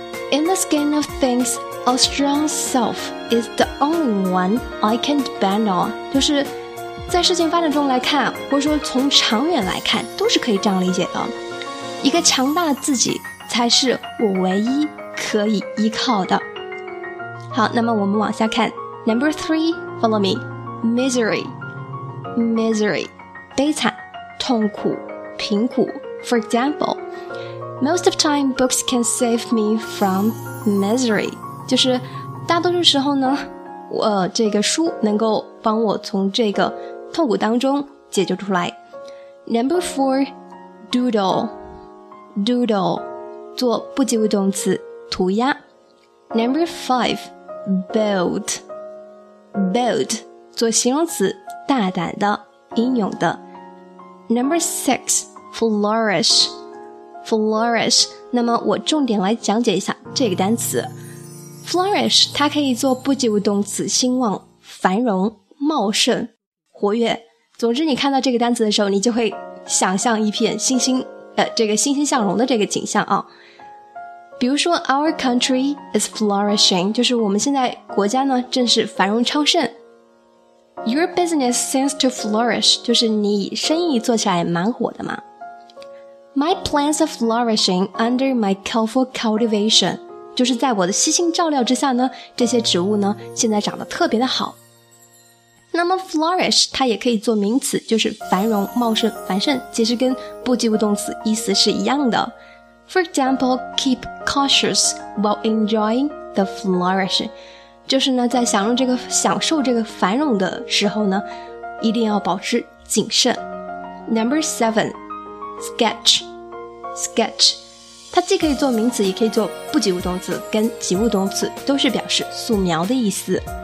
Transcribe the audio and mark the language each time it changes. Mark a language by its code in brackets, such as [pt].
[en] In the skin of things, a strong self is the only one I can depend on， [zh] 就是在事情发展中来看，或者说从长远来看，都是可以这样理解的，一个强大的自己才是我唯一可以依靠的。好，那么我们往下看。 [en] Number three, follow me. [zh] Misery, misery, 悲惨，痛苦，贫苦。 [en] For example, most of time books can save me from misery. [zh] 就是大多数时候呢，这个书能够帮我从这个痛苦当中解救出来。 Number four, doodle, doodle, 做不及物动词，涂鸦。 [en] Number five, bold. [zh] Bold, 做形容词，大胆的，英勇的。 [en] Number six, flourish, flourish. [zh] 那么我重点来讲解一下这个单词。Flourish, 它可以做不及物动词，兴旺、繁荣、茂盛、活跃。总之你看到这个单词的时候，你就会想象一片欣欣，这个欣欣向荣的这个景象啊。比如说 [en] Our country is flourishing， [zh] 就是我们现在国家呢正是繁荣昌盛。 [en] Your business seems to flourish， [zh] 就是你生意做起来蛮火的嘛。 [en] My plants are flourishing under my careful cultivation， [zh] 就是在我的悉心照料之下呢，这些植物呢现在长得特别的好。那么 flourish 它也可以做名词，就是繁荣、茂盛、繁盛，其实跟不及物动词意思是一样的。 [en] For example, keep cautious while enjoying the flourish. [zh] 就是呢在享受这个繁荣的时候呢一定要保持谨慎。 [en] Number 7, sketch. Sketch. [zh] 它既可以做名词也可以做不及物动词跟及物动词都是表示素描的意思。